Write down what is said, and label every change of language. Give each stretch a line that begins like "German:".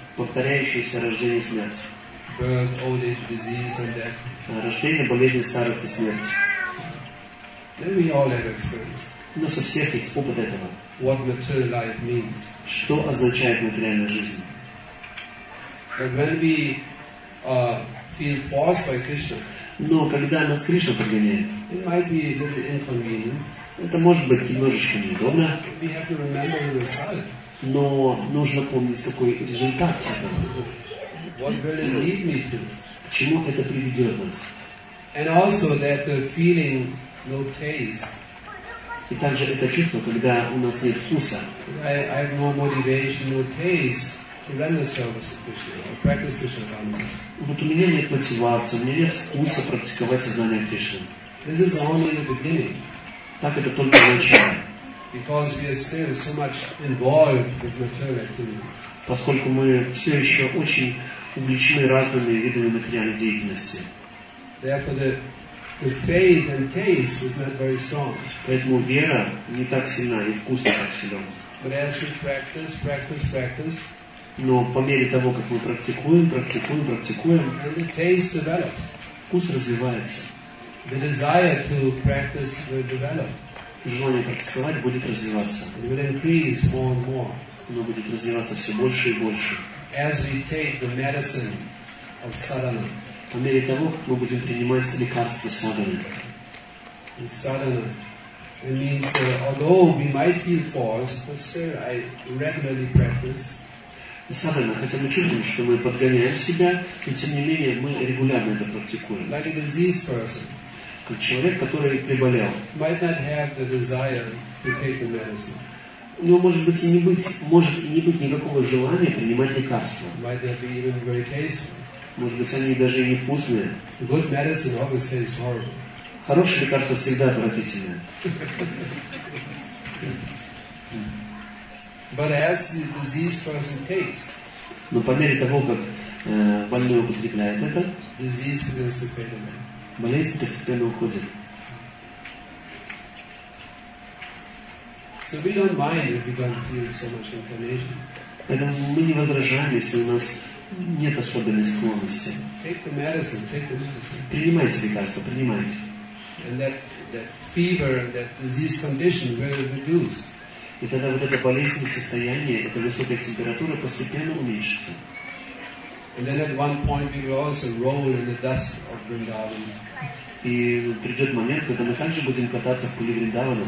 Russian: Повторяющееся рождение и смерть.
English: Birth, old age, disease and death.
Russian: Рождение, болезнь, старость и смерть.
English: Then we all have experience.
Russian: У нас у всех есть опыт этого.
English: What material life means.
Russian: Что означает материальная жизнь?
English: But when we feel forced by Krishna.
Russian: Но когда нас Кришна подгоняет,
English: it might be a little inconvenient.
Russian: Это может быть немножечко неудобно,
English: we have to remember the result.
Russian: Но нужно помнить, какой результат этого.
English: What will it lead me to?
Russian: К чему это приведет нас?
English: And also that the feeling no taste.
Russian: И также это чувство, когда у нас нет вкуса.
English: I have no motivation, no taste to render service to Krishna or practice Krishna consciousness.
Russian: Вот у меня нет мотивации, у меня нет вкуса практиковать сознание Кришны.
English: This is only the beginning.
Russian: Так это только начало.
English: Because we are still so much involved with material activities.
Russian: Поскольку мы все еще очень увлечены разными видами материальной деятельности.
English: Therefore, the faith and taste is not very strong.
Russian: Поэтому вера не так сильна и вкус не так силен.
English: But as we practice.
Russian: Но по мере того, как мы практикуем,
English: and the taste develops.
Russian: Вкус развивается.
English: The desire to practice will develop.
Russian: Желание практиковать будет развиваться.
English: It will increase more and more.
Russian: Оно будет развиваться все больше и больше.
English: As we take the medicine of sadhana.
Russian: По мере того, как мы будем принимать лекарства садхана.
English: In sadhana, it means although we might feel forced, but still I regularly practice.
Russian: Садхана, хотя мы чувствуем, что мы подгоняем себя, но тем не менее мы регулярно это практикуем.
English: Like a diseased person.
Russian: Как человек, который приболел.
English: Might not have the desire to take the medicine.
Russian: У него может быть и не быть, может не быть никакого желания принимать лекарства.
English: Might that be even very tasty?
Russian: Может быть, они даже и невкусные.
English: Good medicine always tastes horrible.
Russian: Хорошие лекарства всегда отвратительные.
English: But as the diseased person takes.
Russian: Но по мере того, как больной употребляет это,
English: disease begins to fade away.
Russian: Болезнь постепенно уходит.
English: So we don't mind if we don't feel so much inclination.
Russian: Поэтому мы не возражаем, если у нас нет особенной склонности.
English: Take the medicine, take the medicine.
Russian: Принимайте лекарство, принимайте.
English: And that fever, that disease condition will reduce.
Russian: И тогда вот это болезненное состояние, эта высокая температура постепенно уменьшится.
English: And then at one point we will also roll in the dust of Vrindavan.
Russian: И придет момент, когда мы также будем кататься в пыли Вриндавана.